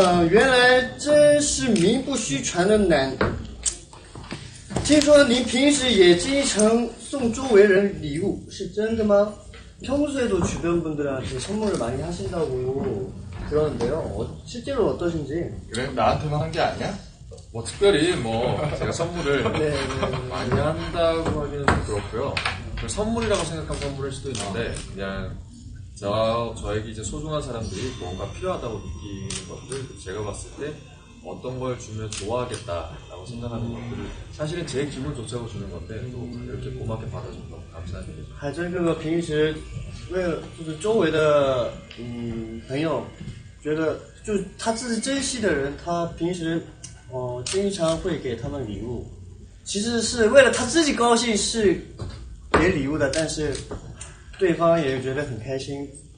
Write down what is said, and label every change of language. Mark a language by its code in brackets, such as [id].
[zh] 原来真是名不虚传的男。听说您平时也经常送周围人礼物，是真的吗？ [ko] 평소에도 주변 분들한테 선물을 많이 하신다고 그러는데요. 실제로 어떠신지? 그래, 나한테만 한 게 아니야? 뭐 특별히 뭐 제가 선물을 네, 많이 한다고 하기는 좀 그렇고요. 선물이라고 생각한 선물일 수도 있는데 그냥. 저에게 이제 소중한 사람들이 뭔가 필요하다고 느끼는 것들, 제가 봤을 때 어떤 걸 주면 좋아하겠다라고 생각하는 것들을 사실은 제 기분조차도 주는 건데 또 이렇게 고맙게 받아준 것 감사드립니다. [zh] 하여튼 平时为了就是周围的朋友觉得就他自己珍惜的人，他平时经常会给他们礼物，其实是为了他自己高兴，是给礼物的，但是对方也觉得很开心。